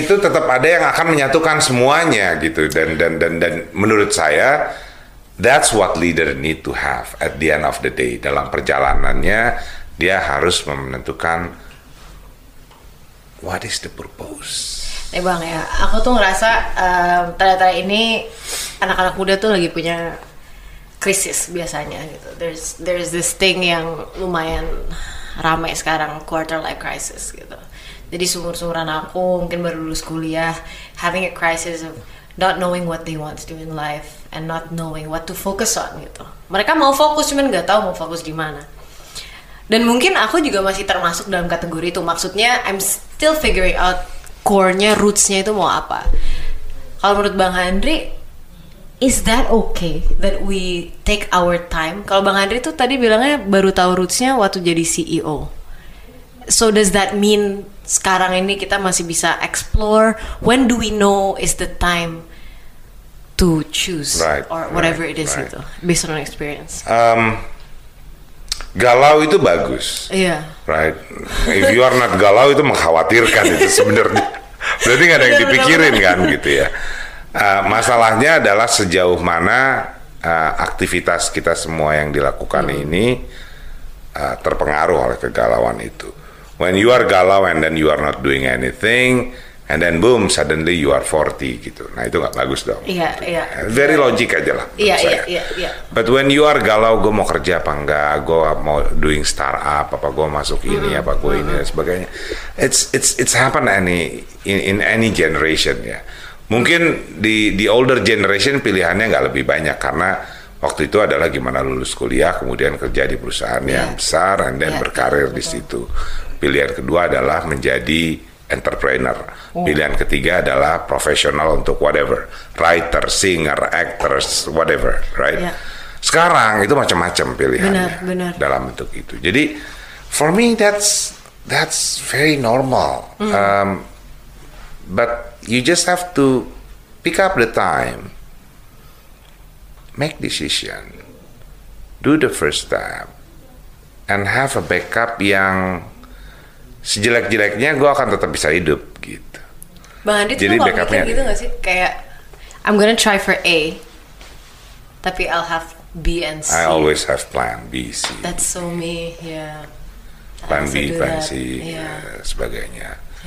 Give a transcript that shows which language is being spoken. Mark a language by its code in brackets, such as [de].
[id] Itu tetap ada yang akan menyatukan semuanya gitu. Dan menurut saya, [en] that's what leader need to have at the end of the day. [id] Dalam perjalanannya, dia harus menentukan [en] what is the purpose. [id] Eh bang ya, aku tuh ngerasa tanda-tanda ini anak-anak muda tuh lagi punya krisis biasanya gitu. [en] There's this thing [id] yang lumayan ramai sekarang, [en] quarter life crisis gitu. [id] Jadi seumur-seumuran aku mungkin baru lulus kuliah, [en] having a crisis of not knowing what they want to do in life and not knowing what to focus on gitu. [id] Mereka mau fokus cuman nggak tahu mau fokus di mana. Dan mungkin aku juga masih termasuk dalam kategori itu. Maksudnya [en] I'm still figuring out [id] core-nya, roots-nya itu mau apa. Kalau menurut Bang Handri, [en] is that okay that we take our time? [id] Kalau Bang Handri tuh tadi bilangnya baru tahu roots-nya waktu jadi CEO. [en] So does that mean [id] sekarang ini kita masih bisa explore? [en] When do we know is the time to choose? Right, or whatever right, it is right. Itu, based on experience. [id] Galau itu bagus, [en] yeah. Right? If you are not [id] galau itu mengkhawatirkan itu sebenarnya. Berarti nggak ada yang dipikirin kan gitu ya. Masalahnya adalah sejauh mana aktivitas kita semua yang dilakukan ini terpengaruh oleh kegalauan itu. [en] When you are galau and then you are not doing anything and then boom suddenly you are 40 gitu. [id] Nah itu nggak bagus dong. [en] Very logic [id] aja lah. [en] But when you are [id] galau, gue mau kerja apa enggak, gue mau [en] doing startup [id] apa, gue masuk ini apa, gue ini dan sebagainya. [en] It's happen in any generation ya. [id] Mungkin di older generation pilihannya nggak lebih banyak karena waktu itu adalah gimana lulus kuliah kemudian kerja di perusahaan yang besar [en] and then [id] berkarir di situ. Pilihan kedua adalah menjadi entrepreneur. Pilihan ketiga adalah profesional untuk whatever, [en] writer, singer, actors, whatever, right? [id] Sekarang itu macam-macam pilihannya. Benar. Dalam bentuk itu. [en] Jadi for me that's very normal. But you just have to pick up the time, make decision, do the first step, and have a backup [id] yang sejelek-jeleknya gue akan tetap bisa hidup gitu. Bang Andi, jadi backupnya gitu nggak sih? [en] Kayak I'm gonna try for A, [id] tapi [en] I'll have B and C. I always have plan B, C. That's so me, Plan B, plan C, [id] sebagainya.